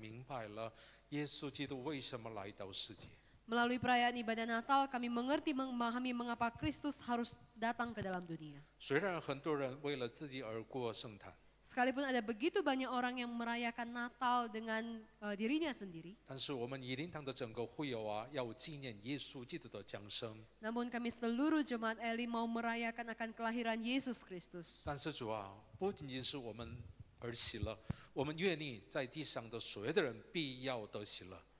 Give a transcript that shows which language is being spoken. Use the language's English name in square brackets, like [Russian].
[Chinese] 我们透过圣诞的崇拜，我们才明白了耶稣基督为什么来到世界。 [Indonesian] Melalui perayaan ibadah Natal, kami mengerti, memahami mengapa Kristus harus datang ke dalam dunia. [Chinese] 虽然很多人为了自己而过圣诞。 [Indonesian] Sekalipun ada begitu banyak orang yang merayakan Natal dengan dirinya sendiri. [Chinese] 但是我们以灵堂的整个会友啊，要纪念耶稣基督的降生。 [Indonesian] Namun kami seluruh jemaat Eli mau merayakan akan kelahiran Yesus Kristus. [Chinese] 但是主啊，不仅仅是我们而喜乐，我们愿意在地上的所有的人必要得喜乐。